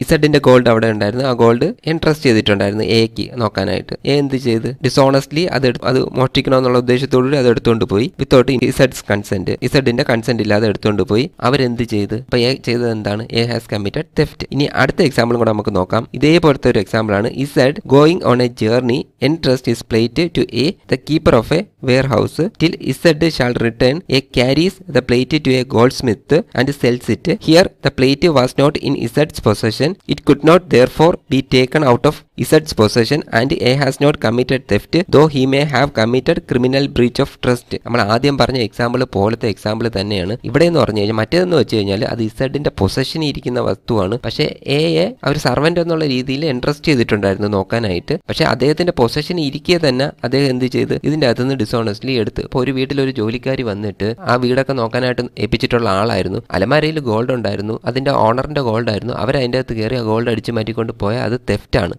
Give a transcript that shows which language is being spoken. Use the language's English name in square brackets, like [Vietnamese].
[Malayalam] ഇസഡിന്റെ gold അവിടെ ഉണ്ടായിരുന്നു, ആ ഗോൾഡ് എൻട്രസ്റ്റ് ചെയ്തിട്ടുണ്ടായിരുന്നു എക്ക് നോക്കാനായിട്ട്. എ എന്ത് ചെയ്ത്, ഡിസോണസ്റ്റ്ലി അത് മോഷ്ടിക്കണമെന്നുള്ള ഉദ്ദേശത്തോടുകൂടി അത് എടുത്തുകൊണ്ട് പോയി [English] Without ഇസഡ്സ് consent. [Malayalam] ഇസഡിന്റെ കൺസെന്റ് ഇല്ലാതെ എടുത്തുകൊണ്ട് പോയി. അവരെന്ത് ചെയ്ത്, ഇപ്പം എ ചെയ്തത് എന്താണ്, [English] A has committed theft. [Malayalam] ഇനി അടുത്ത എക്സാമ്പിളും കൂടെ നമുക്ക് നോക്കാം. ഇതേപോലത്തെ ഒരു എക്സാമ്പിളാണ്, [English] Z going on a journey entrust his plate to A, the keeper of a warehouse, till Z shall return, A carries the plate to a goldsmith and sells it. Here, the plate was not in Z's possession. It could not therefore be taken out of Z's possession and A has not committed theft, though he may have committed criminal breach of trust. [Malayalam] നമ്മൾ ആദ്യം പറഞ്ഞ example പോലത്തെ example തന്നെയാണ്. ഇവിടെ എന്ന് പറഞ്ഞു കഴിഞ്ഞാൽ മറ്റേതെന്ന് വെച്ച് കഴിഞ്ഞാൽ അത് Z's possession ഇരിക്കുന്ന വസ്തുവാണ്. പക്ഷേ എയെ അവർ സർവന്റ് എന്നുള്ള രീതിയിൽ ഇൻട്രസ്റ്റ് ചെയ്തിട്ടുണ്ടായിരുന്നു നോക്കാനായിട്ട്. പക്ഷേ അദ്ദേഹത്തിന്റെ പൊസഷൻ ഇരിക്കുക തന്നെ അദ്ദേഹം എന്ത് ചെയ്ത് ഇതിന്റെ അകത്തുനിന്ന് ഡിസോണസ്റ്റ്ലി എടുത്ത്. ഇപ്പൊ ഒരു വീട്ടിൽ ഒരു ജോലിക്കാരി വന്നിട്ട് ആ വീടൊക്കെ നോക്കാനായിട്ട് ഏൽപ്പിച്ചിട്ടുള്ള ആളായിരുന്നു, അലമാരയിൽ ഗോൾഡ് ഉണ്ടായിരുന്നു, അതിന്റെ ഓണറിന്റെ ഗോൾഡ് ആയിരുന്നു, അവരതിന്റെ അകത്ത് കയറി ആ ഗോൾഡ് അടിച്ച് മാറ്റിക്കൊണ്ട് പോയാൽ അത് തെഫ്റ്റാണ്.